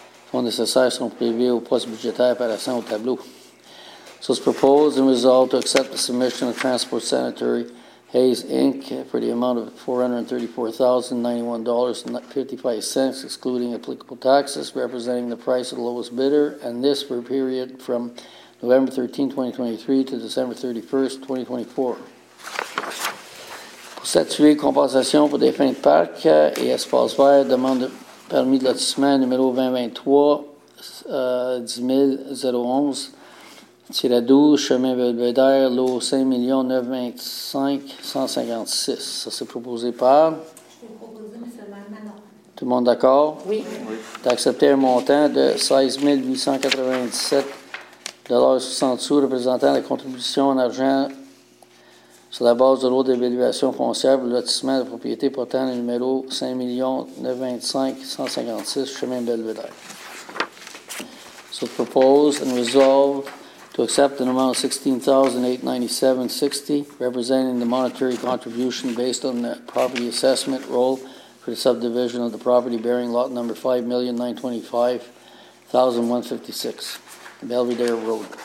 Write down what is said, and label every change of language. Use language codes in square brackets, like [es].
[fr] Fonds nécessaires sont prévus au poste budgétaire apparaissant au tableau. [en] So it's proposed and resolved to accept the submission of Transport Sanitary Hayes Inc. for the amount of $434,091.55, excluding applicable taxes, representing the price of the lowest bidder, and this for a period from November 13, 2023 to December 31, 2024. [fr] Pour statuer compensation pour des fins de parc et espaces verts, demande permis de lotissement numéro 2023-10011-12, chemin Belvedere, lot 5,925,156. Ça, c'est proposé par? C'est proposé, M. le maire Manon. Tout le monde d'accord? Oui. D'accepter un montant de 16,897,60 $, représentant la contribution en argent sur la base de l'ordre d'évaluation foncière pour le lotissement de propriété portant le numéro 5,925,156, chemin Belvedere. [en] So propose and resolve to accept an amount of $16,897.60, representing the monetary contribution based on the property assessment roll for the subdivision of the property bearing lot number 5,925,156, Belvedere Road.